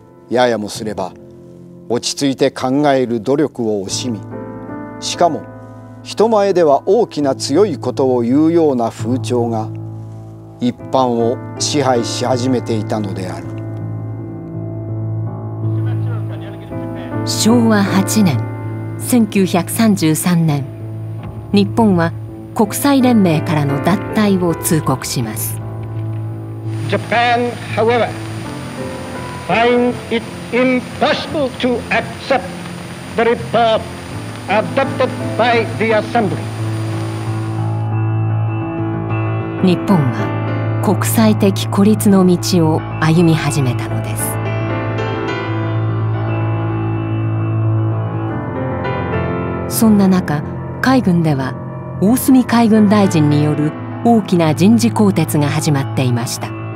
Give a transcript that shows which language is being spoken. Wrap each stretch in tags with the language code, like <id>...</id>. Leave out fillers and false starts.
<ja>ややもすれば落ち着いて考える努力を惜しみ、しかも人前では大きな強いことを言うような風潮が一般を支配し始めていたのである。昭和8年1933年、日本は国際連盟からの脱退を通告します。</ja> <en>Japan, however,Find it impossible to accept the report adopted by the assembly.</en> <ja>日本は国際的孤立の道を歩み始めたのです。そんな中、海軍では大隅海軍大臣による大きな人事更迭が始まっていました。</ja>